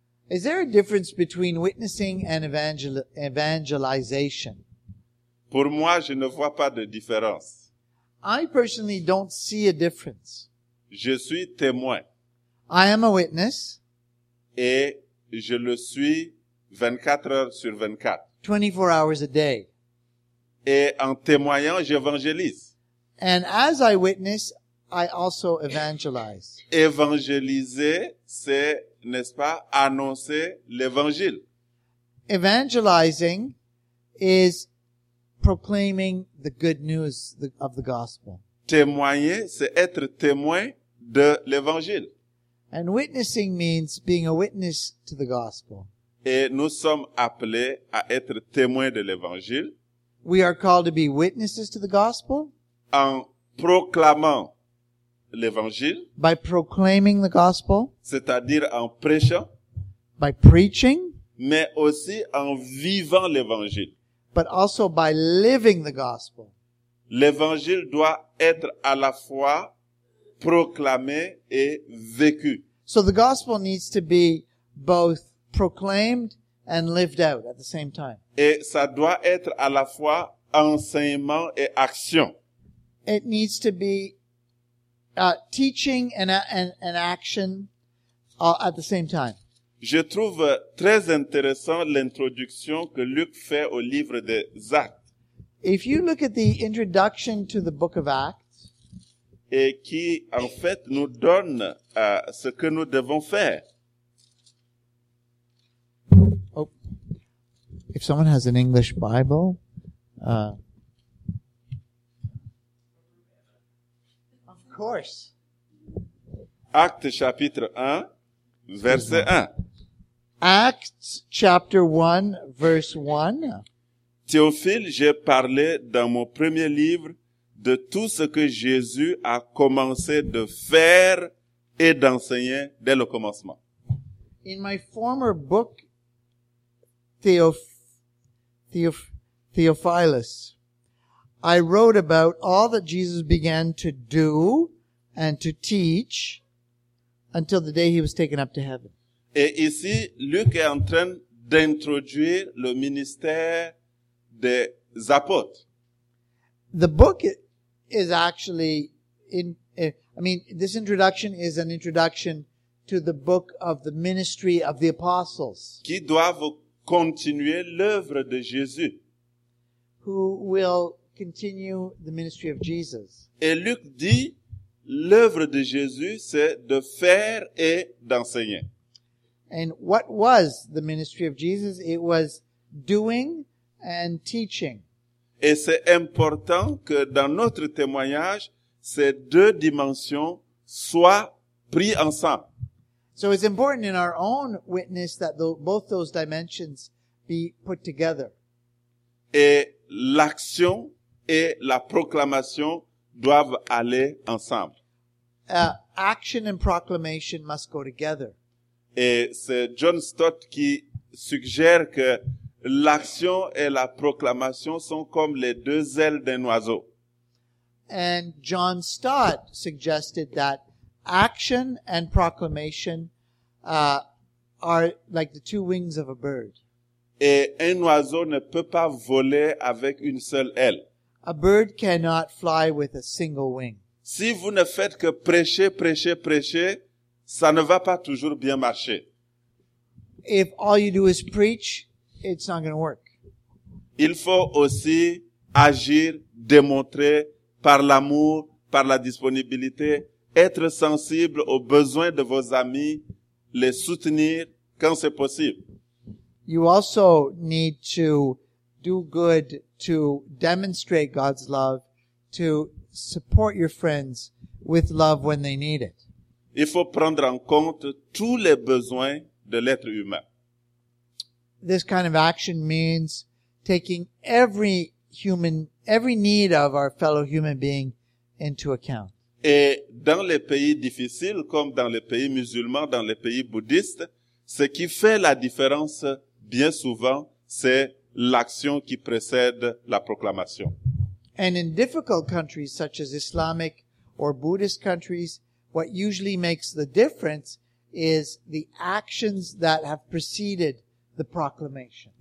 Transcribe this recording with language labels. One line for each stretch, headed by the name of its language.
English: Is there a difference between witnessing and evangelization?
French: Pour moi, je ne vois pas de différence.
English: I personally don't see a difference.
French: Je suis témoin.
English: I am a witness.
French: Et je le suis 24 heures sur 24.
English: 24 hours a day.
French: Et en témoignant, j'évangélise.
English: And as I witness, I also evangelize.
French: Évangéliser, c'est, n'est-ce pas, annoncer l'évangile.
English: Evangelizing is proclaiming the good news of the gospel.
French: Témoigner, c'est être témoin de l'évangile.
English: And witnessing means being a witness to the gospel.
French: Et nous sommes appelés à être témoins de l'évangile.
English: We are called to be witnesses to the gospel.
French: En proclamant l'évangile.
English: By proclaiming the gospel.
French: C'est-à-dire en prêchant.
English: By preaching.
French: Mais aussi en vivant l'évangile.
English: But also by living the gospel.
French: L'évangile doit être à la fois proclamé et vécu.
English: So the gospel needs to be both proclaimed and lived out at the same time.
French: Et ça doit être à la fois enseignement et action.
English: It needs to be teaching and action at the same time.
French: Je trouve très intéressant l'introduction que Luc fait au livre des Actes.
English: If you look at the introduction to the book of Acts,
French: et qui, en fait, nous donne ce que nous devons faire.
English: Oh. If someone has an English Bible. Of course.
French: Actes chapitre 1, verset 1.
English: Acts chapter 1, verse 1.
French: Théophile, j'ai parlé dans mon premier livre de tout ce que Jésus a commencé de faire et d'enseigner dès le commencement.
English: In my former book, Theophilus, I wrote about all that Jesus began to do and to teach until the day he was taken up to heaven.
French: Et ici, Luc est en train d'introduire le ministère des apôtres.
English: The book is actually in, I mean, this introduction is an introduction to the book of the ministry of the apostles.
French: Qui doivent continuer l'œuvre de Jésus.
English: Who will continue the ministry of Jesus.
French: Et Luc dit, l'œuvre de Jésus, c'est de faire et d'enseigner.
English: And what was the ministry of Jesus? It was doing and teaching.
French: Et c'est important que dans notre témoignage, ces deux dimensions soient prises ensemble.
English: So it's important in our own witness that both those dimensions be put together.
French: Et l'action et la proclamation doivent aller ensemble.
English: Action and proclamation must go together.
French: Et c'est John Stott qui suggère que l'action et la proclamation sont comme les deux ailes d'un oiseau.
English: And John Stott suggested that action and proclamation are like the two wings of a bird.
French: Et un oiseau ne peut pas voler avec une seule aile.
English: A bird cannot fly with a single wing.
French: Si vous ne faites que prêcher, ça ne va pas toujours bien marcher.
English: If all you do is preach, it's not going to work.
French: Il faut aussi agir, démontrer par l'amour, par la disponibilité, être sensible aux besoins de vos amis, les soutenir quand c'est possible.
English: You also need to do good to demonstrate God's love, to support your friends with love when they need it.
French: Il faut prendre en compte tous les besoins de l'être humain.
English: This kind of action means taking every need of our fellow human being into account.
French: Et dans les pays difficiles, comme dans les pays musulmans, dans les pays bouddhistes, ce qui fait la différence bien souvent, c'est l'action qui précède la proclamation.
English: And in difficult countries such as Islamic or Buddhist countries, what usually makes the difference is the actions that have preceded the proclamation.